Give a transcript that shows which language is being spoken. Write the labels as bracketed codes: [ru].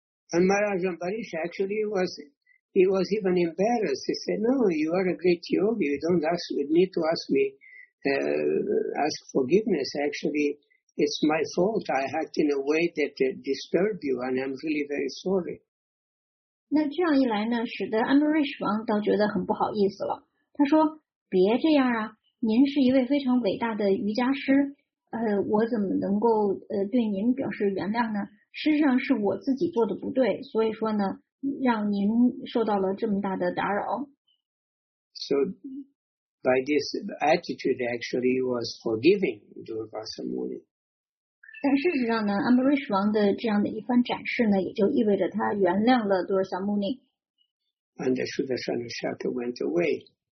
[en] And Maharaj Ambarish actually was even embarrassed. He said, "No, you are a great yogi. You don't need to ask forgiveness. Actually, it's my fault. I act in a way that disturbed you, and I'm really very sorry." [zh] 那这样一来呢，使得 Ambarish 王倒觉得很不好意思了。他说：“别这样啊，您是一位非常伟大的瑜伽师，我怎么能够对您表示原谅呢？” 事实上是我自己做的不对，所以说呢，让您受到了这么大的打扰。 [en] So by this attitude, actually, was forgiving Durvasa Muni. [zh] 但事实上呢 ，Ambarish 王的这样的一番展示呢，也就意味着他原谅了 Durvasa Muni. [en] And the Sudarshana Chakra went away.